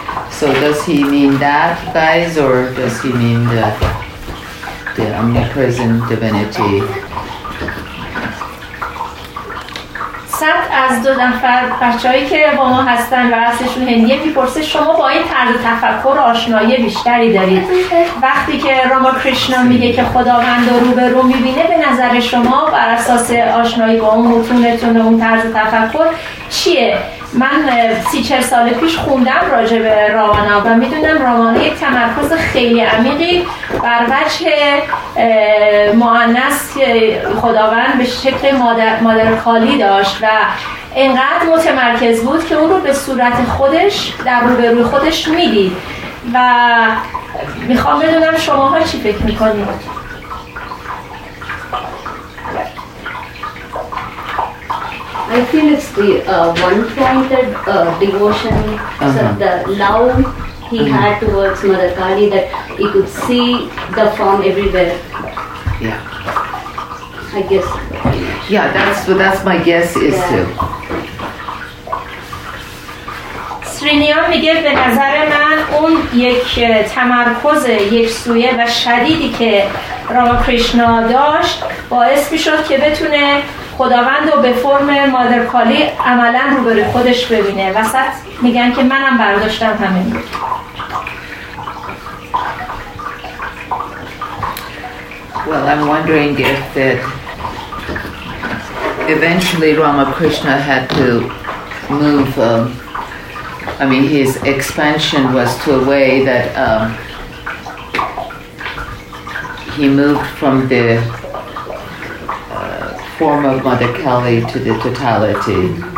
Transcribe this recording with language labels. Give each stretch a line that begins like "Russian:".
English: So does he mean that, guys, or does he mean the omnipresent divinity?
Persian: صد از دو نفر بچه‌هایی که با ما هستن و اصلشون هندیه میپرسه شما با این طرز تفکر آشنایی بیشتری دارید. وقتی که راماکریشنا میگه که خداوند رو به رو میبینه، به نظر شما بر اساس آشنایی با اون متونتون و اون طرز تفکر چیه؟ من 30-40 سال پیش خوندم راجع به راوانا و میدونم راوانا یک تمرکز خیلی عمیقی بر وجه مؤنث خداوند به شکل مادر کالی داشت و اینقدر متمرکز بود که اون رو به صورت خودش در روبروی خودش میدید. و میخوام بدونم شماها چی فکر میکنید؟
English: I feel it's the one-pointed devotion, so the love he had towards Mother Kali, that he could see the form everywhere. Yeah. I guess. Yeah, that's my guess is too.
Persian: سرینیان میگه به نظر من اون یک تمرکز یک سویه و شدیدی که راماکریشنا داشت باعث میشد که بتونه خداوند رو به فرم مادر کالی عملا رو بره خودش ببینه. وسط میگن که منم برداشتم همین.
English: Well, I'm wondering if that eventually Ramakrishna had to move I mean, his expansion was to a way that he moved from the form of Mother Kali to the totality.